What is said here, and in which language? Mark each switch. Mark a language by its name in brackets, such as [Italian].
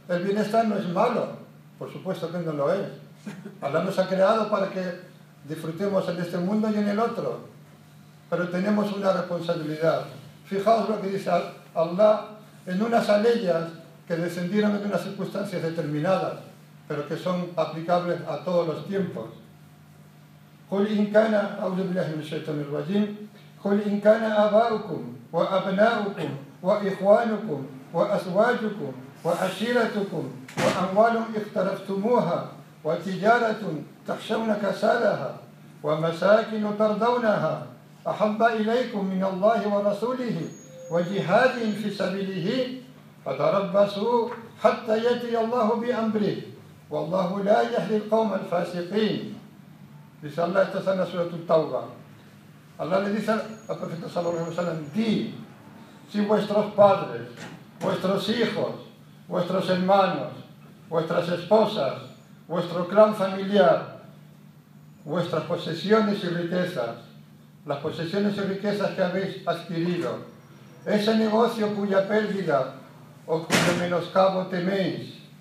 [Spanish] El bienestar no es malo, por supuesto que no lo es. Allah nos ha creado para que disfrutemos en este mundo y en el otro, pero tenemos una responsabilidad. Fijaos lo que dice Allah en unas aleyas que descendieron en unas circunstancias determinadas, pero que son aplicables a todos los tiempos. [Arabic] قل إن كان أعوذ بالله من الشيطان الرجيم قل إن كان آباؤكم وأبناؤكم وإخوانكم وأزواجكم وعشيرتكم وأموال اقترفتموها وتجارة تخشون كسادها ومساكن ترضونها أحب إليكم من الله ورسوله وجهاد في سبيله فتربصوا حتى يأتي الله بأمره والله لا يهدي القوم الفاسقين. [Spanish] Dice Allah, esta es la sura de Tauba. Allah le dice al profeta Salomón de Jerusalén, di, si vuestros padres, vuestros hijos, vuestros hermanos, vuestras esposas, vuestro clan familiar, vuestras posesiones y riquezas, las posesiones y riquezas que habéis adquirido, ese negocio cuya pérdida o cuyo menoscabo teméis,